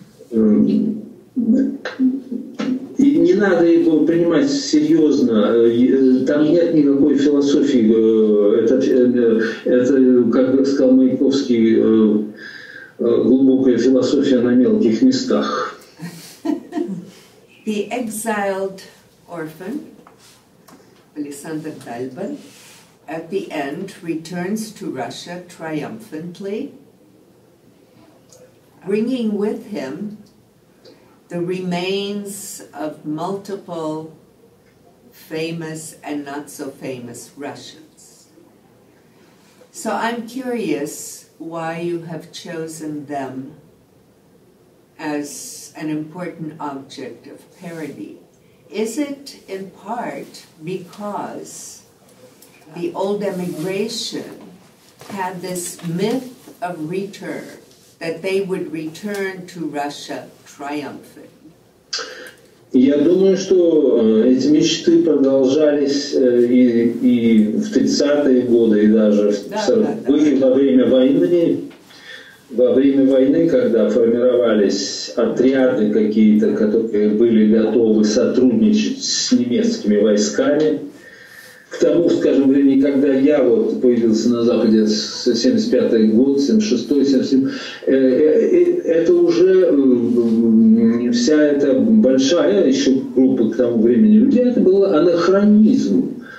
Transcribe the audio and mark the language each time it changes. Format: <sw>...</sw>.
<ru>И не надо его принимать серьезно. Там нет никакой философии. Это как сказал Маяковский, глубокая философия на мелких местах.</ru> <en>The exiled orphan, Alexander Dalban, at the end returns to Russia triumphantly, bringing with him the remains of multiple famous and not so famous Russians. So I'm curious why you have chosen them as an important object of parody. Is it in part because the old emigration had this myth of return, that they would return to Russia triumphant?</en> <ru>Я думаю, что эти мечты продолжались и в 30-е годы, и даже в 40-е, во время войны. Во время войны, когда формировались отряды какие-то, которые были готовы сотрудничать с немецкими войсками, к тому, скажем, времени, когда я вот появился на Западе, 75-й год, 76-й, 77-й, это уже вся эта большая еще группа к тому времени людей, это был анахронизм.</ru>